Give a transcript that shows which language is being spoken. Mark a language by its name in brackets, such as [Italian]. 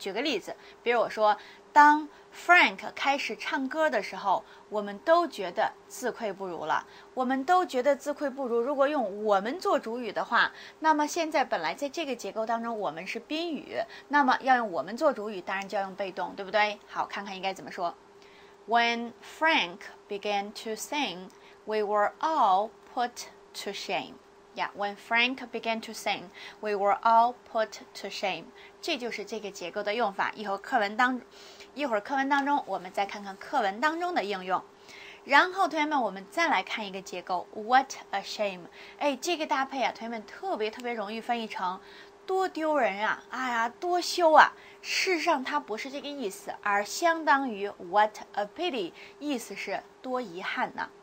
[Chinese] 举个例子，比如我说当 Frank 开始唱歌的时候，我们都觉得自愧不如了，我们都觉得自愧不如。如果用我们做主语的话，那么现在本来在这个结构当中我们是宾语，那么要用我们做主语，当然就要用被动，对不对？好，看看应该怎么说。 [English] When Frank began to sing, we were all putto shame. Yeah, when Frank began to sing, we were all put to shame. [Chinese] 这就是这个结构的用法，一会儿课文当中我们再看看课文当中的应用。然后同学们，我们再来看一个结构 [English] what a shame。 [Chinese] 哎，这个搭配啊，同学们特别特别容易翻译成多丢人啊，哎呀多羞啊。事实上它不是这个意思，而相当于 [English] what a pity， [Chinese] 意思是多遗憾呢。